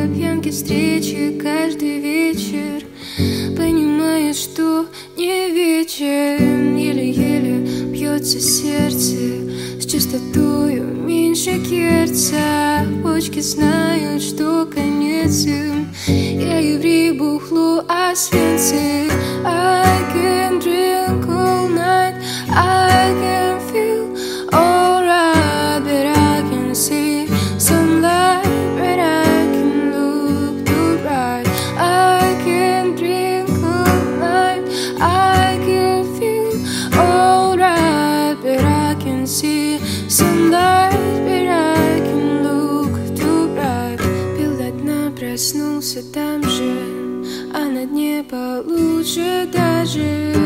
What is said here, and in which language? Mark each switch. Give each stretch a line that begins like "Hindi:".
Russian: Пьянки, встречи каждый вечер, понимаешь, что не вечер. Еле-еле бьется сердце с частотою меньше герца. Почки знают, что конец им. Я еврей, бухло освенцы.
English: I can drink all night, I can feel alright, but I can see some light, but I can look too bright. I can drink all night, I can feel alright, but I can see some light, but I can look too bright.
Russian: Пил до дна, проснулся там же, а на дне получше даже.